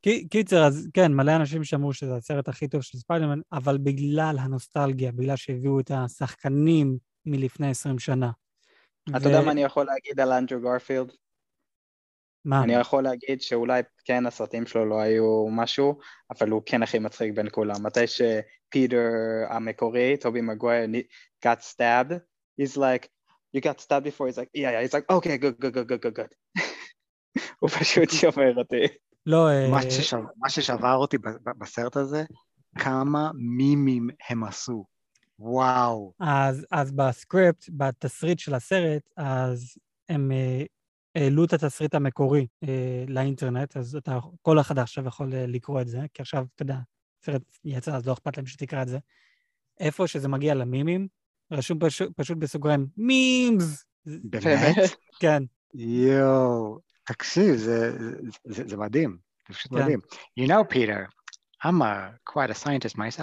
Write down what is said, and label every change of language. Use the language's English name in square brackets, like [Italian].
[Hebrew] קיצר, אז כן, מלא אנשים שאמרו שזה הסרט הכי טוב של ספיידרמן, אבל בגלל הנוסטלגיה, בגלל שהביאו את השחקנים מלפני 20 שנה. אתה יודע מה אני יכול להגיד על אנדרו גרפילד? מה? אני יכול להגיד שאולי כן, הסרטים שלו לא היו משהו, אבל הוא כן הכי מצחיק בין כולם. מתי שפיטר המקורי, [English] טובי מגוויר, got stabbed, he's like, you got stabbed before, he's like, yeah, yeah, he's like, okay, good, good, good, good, good. [Hebrew] הוא פשוט שומר אותי. לא, מה ששבר אותי בסרט הזה, כמה מימים הם עשו. וואו. אז בסקריפט, בתסריט של הסרט, אז הם העלו את התסריט המקורי לאינטרנט, אז אתה, כל אחד עכשיו יכול לקרוא את זה, כי עכשיו, אתה יודע, סרט יצא, אז לא אכפת להם שתקרא את זה. איפה שזה מגיע למימים, רשום פשוט בסוגריים, מימס! באמת? כן. יואו, תקשיב, זה מדהים, זה פשוט מדהים. [English] You know, Peter, I'm quite a scientist myself.